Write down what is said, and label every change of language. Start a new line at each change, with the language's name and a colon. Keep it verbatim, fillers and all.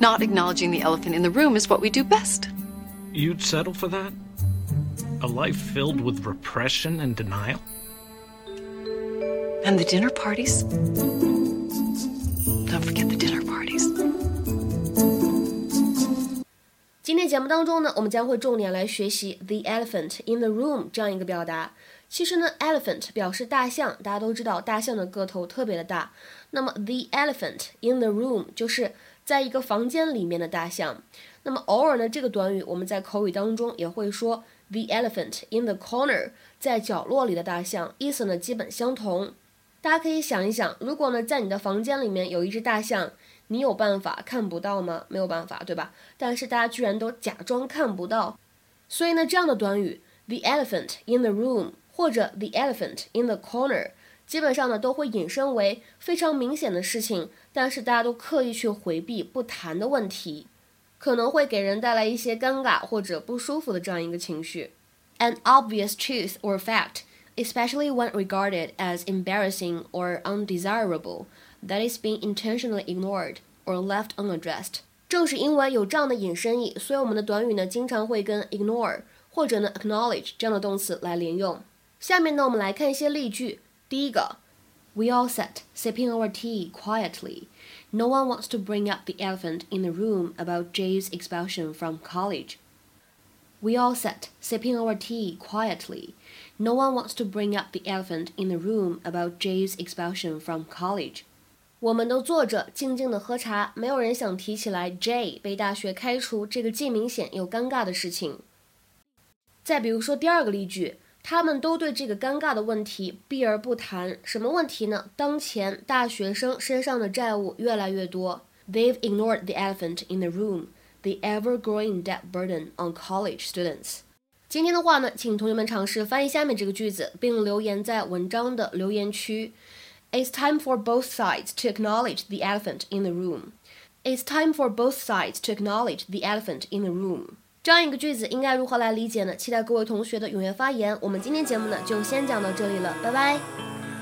English: Not acknowledging the elephant in the room is what we do best. You'd settle for that? A life filled with repression and denial? And the dinner parties? Don't forget the dinner parties.
Chinese: 今天节目当中呢，我们将会重点来学习
English: the elephant in the room
Chinese: 这样一个表达。其实呢 elephant 表示大象，大家都知道大象的个头特别的大，那么
English: the elephant in the room
Chinese: 就是在一个房间里面的大象。那么偶尔呢，这个短语我们在口语当中也会说
English: the elephant in the corner，
Chinese: 在角落里的大象，意思呢基本相同。大家可以想一想，如果呢在你的房间里面有一只大象，你有办法看不到吗？没有办法，对吧？但是大家居然都假装看不到。所以呢，这样的短语
English: the elephant in the room
Chinese: 或者
English: the elephant in the corner
Chinese: 基本上呢都会引申为非常明显的事情，但是大家都刻意去回避不谈的问题，可能会给人带来一些尴尬或者不舒服的这样一个情绪。
English: An obvious truth or fact, especially when regarded as embarrassing or undesirable,that is being intentionally ignored or left unaddressed.
Chinese: 正是因为有这样的引申义，所以我们的短语呢经常会跟 ignore 或者呢 acknowledge 这样的动词来连用。下面呢我们来看一些例句。第一个
English: We all sat sipping our tea quietly. No one wants to bring up the elephant in the room about Jay's expulsion from college. We all sat sipping our tea quietly. No one wants to bring up the elephant in the room about Jay's expulsion from college.
Chinese: 我们都坐着静静的喝茶，没有人想提起来 Jay 被大学开除这个既明显又尴尬的事情。再比如说第二个例句，他们都对这个尴尬的问题避而不谈。什么问题呢？当前大学生身上的债务越来越多。
English: They've ignored the elephant in the room, the ever-growing debt burden on college students.
Chinese: 今天的话呢，请同学们尝试翻译下面这个句子，并留言在文章的留言区。
English: It's time for both sides to acknowledge the elephant in the room. It's time for both sides to acknowledge the elephant in the room.
Chinese: 这样一个句子应该如何来理解呢？期待各位同学的踊跃发言。我们今天节目呢就先讲到这里了，拜拜。